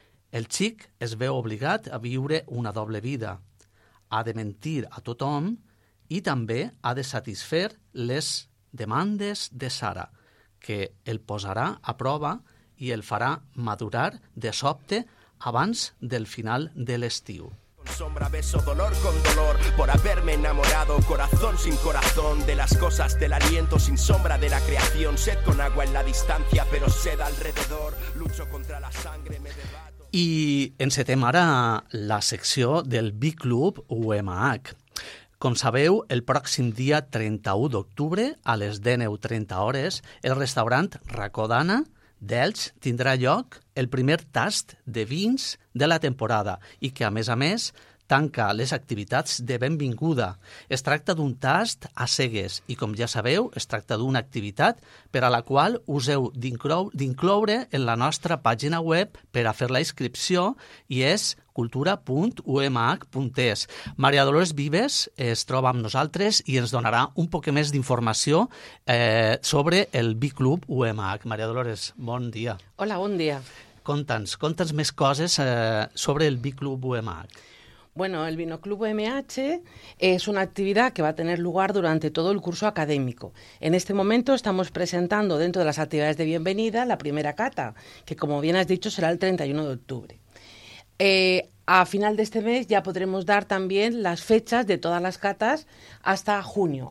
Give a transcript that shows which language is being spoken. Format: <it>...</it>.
<ca>El xic es veu obligat a viure una doble vida. Ha de mentir a tothom i també ha de satisfer les demandes de Sara, que el posarà a prova i el farà madurar de sobte abans del final de l'estiu.</ca> <es>Sombra, beso, dolor con dolor por haberme enamorado, corazón sin corazón, de las cosas, del aliento sin sombra de la creación, sed con agua en la distancia, pero sed alrededor, lucho contra la sangre, me debato.</es> <ca>I encetem ara la secció del B-Club UMH. Com sabeu, el pròxim dia 31 d'octubre, a les 19:30 hores, el restaurant Racó d'Anna d'Elx tindrà lloc el primer tast de vins de la temporada i que, a més, tanca les activitats de benvinguda. Es tracta d'un tast a cegues i, com ja sabeu, es tracta d'una activitat per a la qual us heu d'incloure en la nostra pàgina web per a fer la inscripció, i és cultura.umh.es. Maria Dolores Vives es troba amb nosaltres i ens donarà un poc més d'informació sobre el B-Club UMH. Maria Dolores, bon dia. Hola, bon dia. Conta'ns més coses sobre el B-Club UMH.</ca> <es>Bueno, el Vinoclub UMH es una actividad que va a tener lugar durante todo el curso académico. En este momento estamos presentando, dentro de las actividades de bienvenida, la primera cata, que, como bien has dicho, será el 31 de octubre. A final de este mes ya podremos dar también las fechas de todas las catas hasta junio.</es>